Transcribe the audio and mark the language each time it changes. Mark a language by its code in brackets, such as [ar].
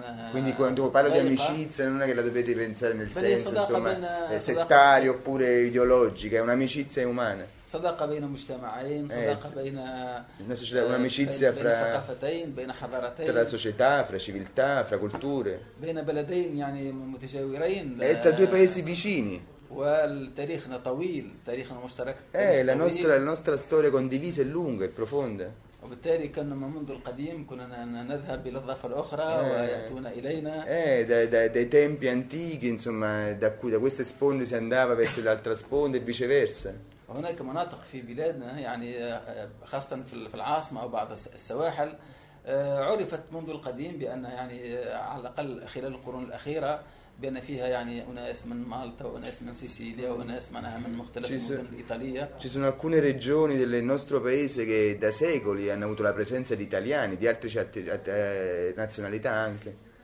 [it] Quindi quando parlo di amicizia non è che la dovete pensare nel senso insomma, settario oppure ideologica, è un'amicizia umana. [ar] صداقة بين مجتمعين صداقة بين الناس بين ثقافتين بين حضارتين [it] tra società fra civiltà fra culture [ar] بين بلدين يعني متجاورين [it] tra due paesi vicini [ar] والتاريخنا طويل تاريخنا مشترك [it] la nostra storia condivisa è lunga e profonda [ar] وبالتالي كنا منذ القديم كنا نذهب الى الضفة الاخرى وياتون الينا [it] dai tempi antichi insomma da queste sponde si andava verso l'altra sponda e viceversa. [ar] هناك مناطق في بلادنا يعني خاصة في العاصمة أو بعض السواحل عرفت منذ القديم بأن يعني على الأقل خلال القرون الأخيرة بأن فيها يعني أناس من مالطا وأناس من سيسيليا وأناس معناها من مختلف المدن الإيطالية. [it] Ci sono alcune regioni del nostro paese che da secoli hanno avuto la presenza di italiani di altre nazionalità anche.